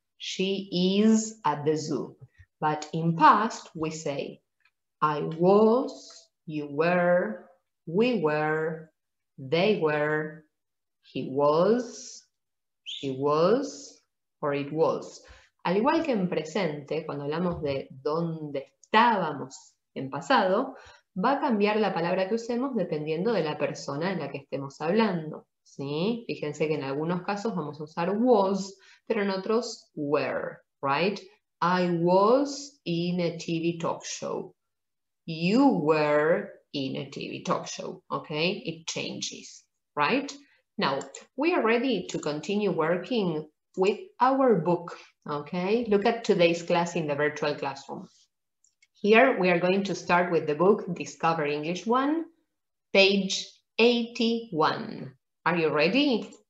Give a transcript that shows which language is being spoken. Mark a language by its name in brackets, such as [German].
[English] She is at the zoo. But in past, we say, I was, you were, we were, they were, he was, she was, or it was. [Spanish] Al igual que en presente, cuando hablamos de dónde estábamos en pasado, va a cambiar la palabra que usemos dependiendo de la persona en la que estemos hablando, ¿sí? Fíjense que en algunos casos vamos a usar was, pero en otros were, [English] right? I was in a TV talk show. You were in a TV talk show, okay? It changes, right? Now, we are ready to continue working with our book, okay? Look at today's class in the virtual classroom. Here we are going to start with the book Discover English 1, page 81. Are you ready?